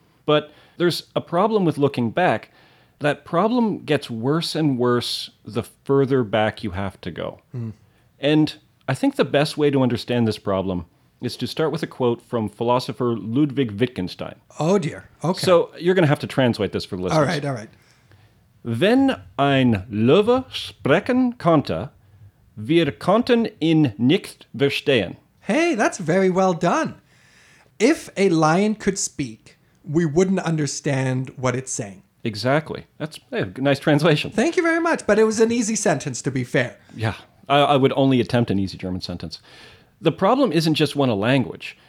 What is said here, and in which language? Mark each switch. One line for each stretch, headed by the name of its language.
English: But there's a problem with looking back. That problem gets worse and worse the further back you have to go. Mm. And I think the best way to understand this problem is to start with a quote from philosopher Ludwig Wittgenstein. Oh, dear. Okay. So you're going to have to translate this for the listeners. All right.
German: Wenn ein Löwe sprechen konnte, wir konnten ihn nicht verstehen.
English: Hey, that's very well done. If a lion could speak, we wouldn't understand what it's saying. Exactly. That's a nice translation. Thank you very much. But it was an easy sentence, to be fair. Yeah, I would only attempt an easy German sentence. The problem isn't just one of language.